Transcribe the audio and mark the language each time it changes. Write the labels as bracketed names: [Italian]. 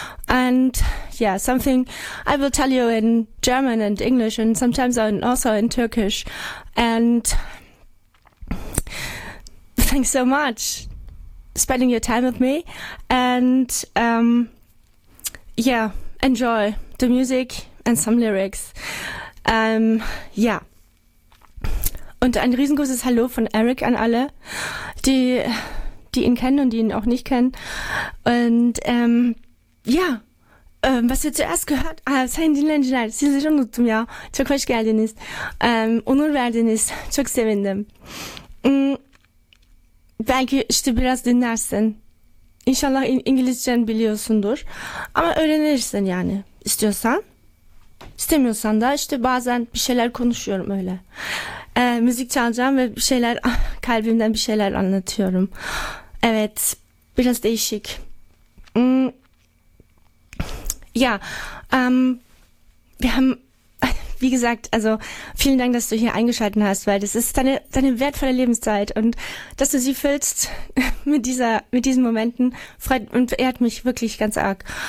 [English] And yeah, something I will tell you in German and English and sometimes also in Turkish. And thanks so much spending your time with me. And yeah, enjoy the music and some lyrics. [German] Ja. Und ein riesengroßes Hallo von Eric an alle, die ihn kennen und die ihn auch nicht kennen. Und ja, was wir zuerst gehört haben, sind die Länder, die sich unnutzen, ja, zurück was gelten ist, unnutzen werden ist, zurück sehr winden. [Turkish] Belki işte biraz dinlersin. İnşallah İngilizcen biliyorsundur. Ama öğrenirsin yani, istiyorsan. İstemiyorsan da işte bazen bir şeyler konuşuyorum öyle. Müzik çalacağım ve bir şeyler kalbimden bir şeyler anlatıyorum. Evet, biraz değişik. [German] Ja, wir haben, wie gesagt, also vielen Dank, dass du hier eingeschaltet hast, weil das ist deine wertvolle Lebenszeit und dass du sie füllst mit diesen Momenten freut und ehrt mich wirklich ganz arg.